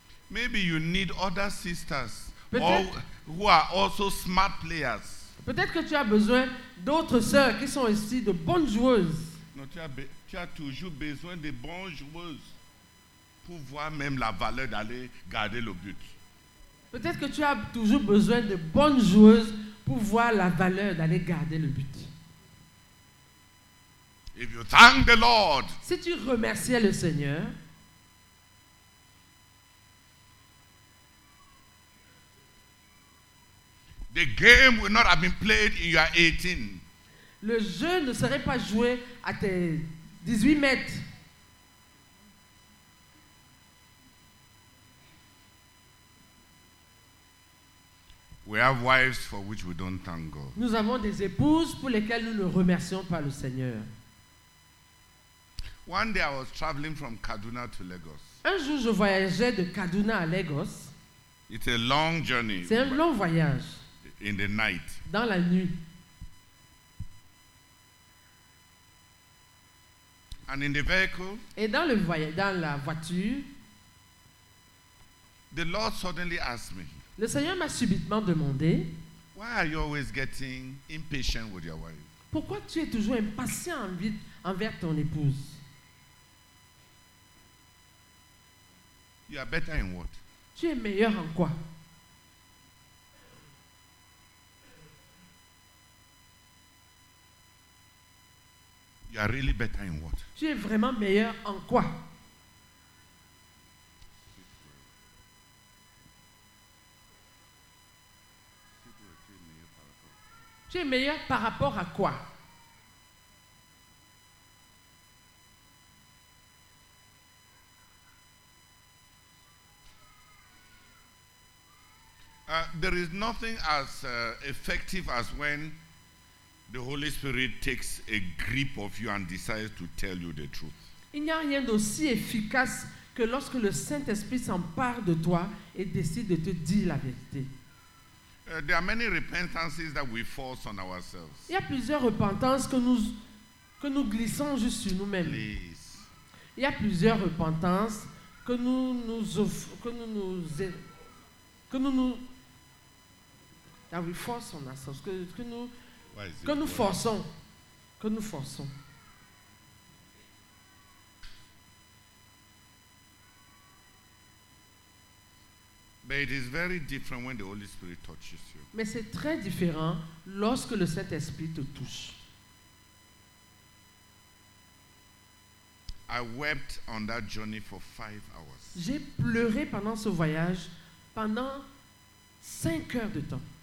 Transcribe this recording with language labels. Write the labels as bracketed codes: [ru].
[en] Maybe you need other sisters who are also smart players. [fr] Peut-être que tu as besoin d'autres sœurs qui sont ici, de bonnes joueuses. Non, tu as toujours besoin de bonnes joueuses pour voir même la valeur d'aller garder le but. Peut-être que tu as toujours besoin de bonnes joueuses pour voir la valeur d'aller garder le but. [en] If you thank the Lord, [fr] si tu remerciais le Seigneur, [en] the game will not have been played in your 18. [fr] Le jeu ne serait pas joué à tes 18 mètres. [en] We have wives for which we don't thank God. [fr] Nous avons des épouses pour lesquelles nous ne remercions pas le Seigneur. [en] One day I was traveling from Kaduna to Lagos. [fr] Un jour je voyageais de Kaduna à Lagos. [en] It's a long journey. [fr] C'est un long voyage. [en] In the night. [fr] Dans la nuit. [en] And in the vehicle. [fr] Et dans la voiture. [en] The Lord suddenly asked me. [fr] Le Seigneur m'a subitement demandé. [en] Why are you always getting impatient with your wife? [fr] Pourquoi tu es toujours impatient envers ton épouse? [en] You are better in what? [fr] Tu es meilleur en quoi? [en] You are really better in what? [fr] Tu es vraiment meilleur en quoi? Tu es meilleur par rapport à quoi? [en] There is nothing as effective as when the Holy Spirit takes a grip of you and decides to tell you the truth. [fr] Il n'y a rien d'aussi efficace que lorsque le Saint-Esprit s'empare de toi et décide de te dire la vérité. [en] There are many repentances that we force on ourselves. [fr] Il y a plusieurs repentances que nous glissons juste sur nous-mêmes. [en] Please. [fr] Il y a plusieurs repentances que nous forçons. [en] But it is very different when the Holy Spirit touches you. [fr] Mais c'est très différent lorsque le Saint-Esprit te touche. [en] I wept on that journey for 5 hours. [fr] J'ai pleuré pendant ce voyage pendant 5 heures de temps.